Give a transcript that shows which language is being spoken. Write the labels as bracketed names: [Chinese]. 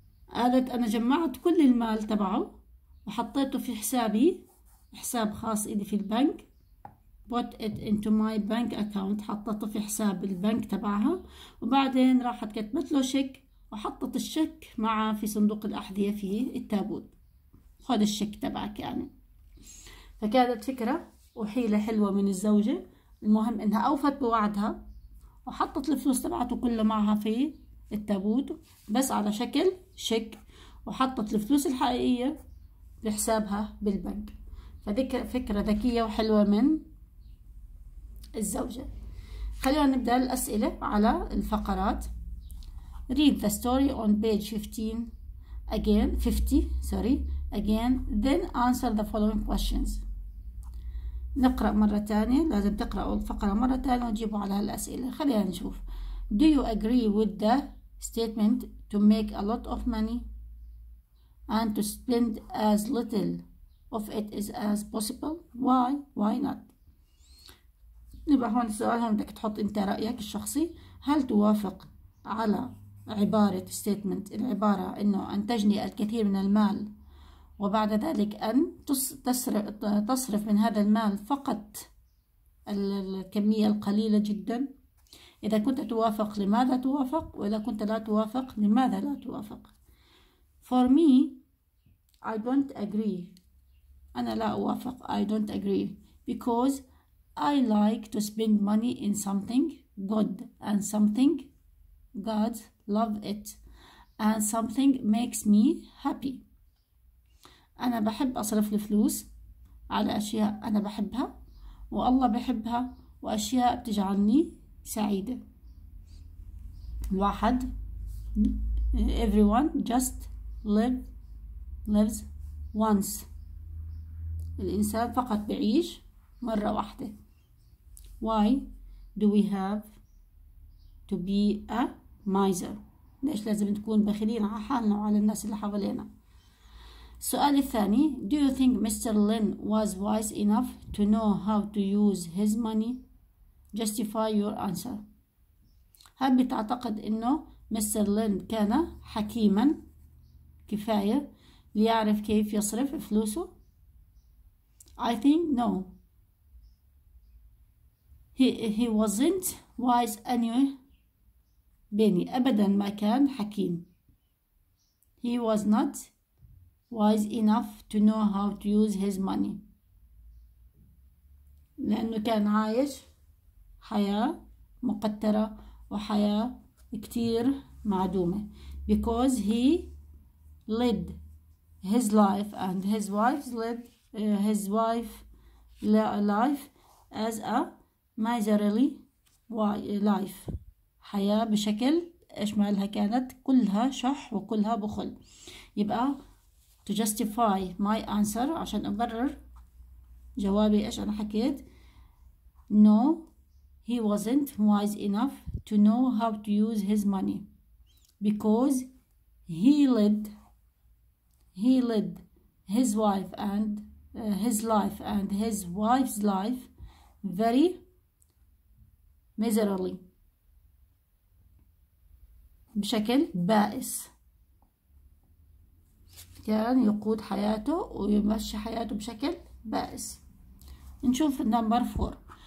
[Arabic] قالت, أنا جمعت كل المال تبعه وحطيته في حسابي, حساب خاص إلي في البنك. [English] Put it into my bank account, [Arabic] حطته في حساب البنك تبعها. وبعدين راحت كتبت له شيك وحطت الشيك معه في صندوق الأحذية في التابوت. خذ الشيك تبعك يعني. فكانت فكرة وحيلة حلوة من الزوجة. المهم إنها أوفت بوعدها وحطت الفلوس تبعته كله معها في التابوت بس على شكل شيك, وحطت الفلوس الحقيقية لحسابها بالبنك. فكرة ذكية وحلوة من الزوجة. خلونا نبدأ الأسئلة على الفقرات. [English] Read the story on page 15 again, 50, sorry, again, then answer the following questions. [Arabic] نقرأ مرة تانية, لازم تقرأوا الفقرة مرة تانية وتجيبوا على هالأسئلة. خلينا نشوف. [English] Do you agree with the statement to make a lot of money and to spend as little of it as possible? Why? Why not? [Arabic] نبقى هون السؤال, هون بدك تحط انت رأيك الشخصي. هل توافق على عبارة statement, العبارة انه ان تجني الكثير من المال وبعد ذلك ان تصرف من هذا المال فقط الكمية القليلة جدا؟ اذا كنت توافق لماذا توافق, واذا كنت لا توافق لماذا لا توافق. [English] For me, I don't agree. [Arabic] أنا لا أوافق. [English] I don't agree because I like to spend money in something good and something God love it and something makes me happy. [Arabic] أنا بحب أصرف الفلوس على أشياء أنا بحبها والله بحبها وأشياء بتجعلني سعيدة. واحد, [English] everyone just lives once. [Arabic] الإنسان فقط بعيش مرة واحدة. [English] Why do we have to be a miser? [Arabic] ليش لازم نكون بخيلين على حالنا وعلى الناس اللي حوالينا؟ السؤال الثاني, [English] Do you think Mr. Lin was wise enough to know how to use his money? Justify your answer. [Arabic] هل بتعتقد إنه Mr. Lin كان حكيما كفاية ليعرف كيف يصرف فلوسه؟ [English] I think no. He wasn't wise anyway. [Arabic] بني أبدا ما كان حكيم. [English] He was not wise enough to know how to use his money. [Arabic] لأنه كان عايش حياة مقترة وحياة كتير معدومة. [English] Because he led his life and his wife led his wife life as a miserly life. [Arabic] حياة بشكل إيش مالها كانت كلها شح وكلها بخل. يبقى [English] to justify my answer [Arabic] عشان أبرر جوابي إيش أنا حكيت. [English] No, he wasn't wise enough to know how to use his money because he led his wife and his life and his wife's life very miserably. [Arabic] بشكل بائس كان يقود حياته ويمشي حياته بشكل بائس. نشوف [English] number 4.